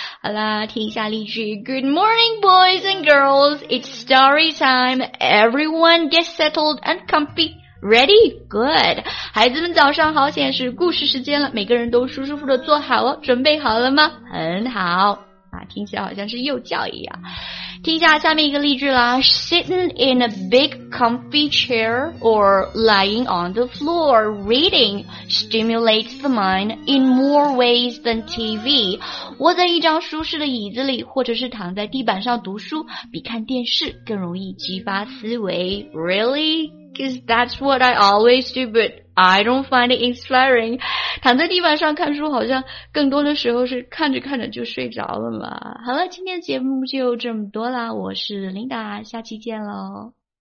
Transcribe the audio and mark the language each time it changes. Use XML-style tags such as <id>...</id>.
<zh>好了，听一下例句。</zh> <en>Good morning, boys and girls. It's story time. Everyone get settled and comfy. Ready? Good.</en> <zh>孩子们早上好，现在是故事时间了，每个人都舒舒服的坐好哦，准备好了吗？很好。啊，听起来好像是幼教一样。听一下下面一个例句啦。</zh> <en>Sitting in a big comfy chair or lying on the floor reading stimulates the mind in more ways than TV.</en> <zh>窝在一张舒适的椅子里或者是躺在地板上读书比看电视更容易激发思维。</zh> <en>Really? Because that's what I always do, but I don't find it inspiring.</en> <zh>躺在地板上看书好像更多的时候是看着看着就睡着了嘛。好了，今天的节目就这么多啦，我是琳达，下期见喽。</zh>